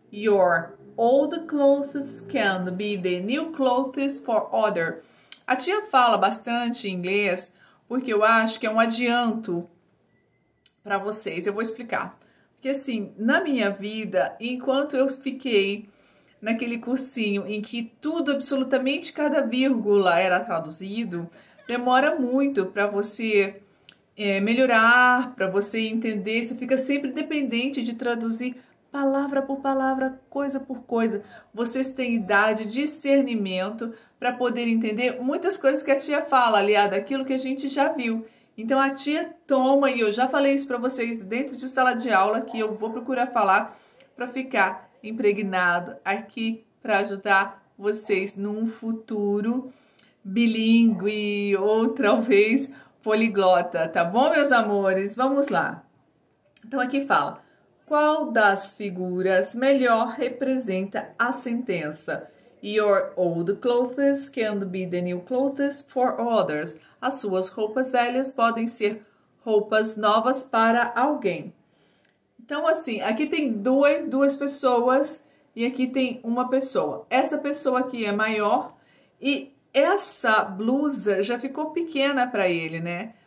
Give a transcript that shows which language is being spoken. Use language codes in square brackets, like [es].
[en] Your old clothes can be the new clothes for other. [pt] A tia fala bastante inglês porque eu acho que é um adianto para vocês. Eu vou explicar. Porque assim, na minha vida, enquanto eu fiquei naquele cursinho em que tudo, absolutamente cada vírgula era traduzido, demora muito para você melhorar, para você entender. Você fica sempre dependente de traduzir palavra por palavra, coisa por coisa. Vocês têm idade, discernimento para poder entender muitas coisas que a tia fala, aliada àquilo que a gente já viu. Então a tia toma, e eu já falei isso para vocês dentro de sala de aula, que eu vou procurar falar para ficar impregnado aqui para ajudar vocês num futuro bilíngue ou talvez poliglota, tá bom, meus amores? Vamos lá. Então aqui fala: qual das figuras melhor representa a sentença? [en] Your old clothes can be the new clothes for others. [pt] As suas roupas velhas podem ser roupas novas para alguém. Então, assim, aqui tem duas pessoas e aqui tem uma pessoa. Essa pessoa aqui é maior e essa blusa já ficou pequena para ele, né?